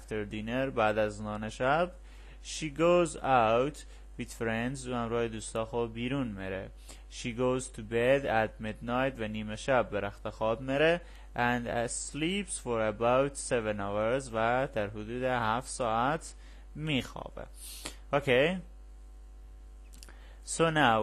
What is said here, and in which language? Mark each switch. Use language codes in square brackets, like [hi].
[en] After dinner [fa] بعد از نان شب. [en] She goes out with friends. [fa] او همراه دوستا خود بیرون میره. [en] She goes to bed at midnight. [fa] و نیمه شب به رخت خواب میره. [en] And sleeps for about 7 hours. [fa] و در حدود 7 ساعت میخوابه. [en] Okay. So now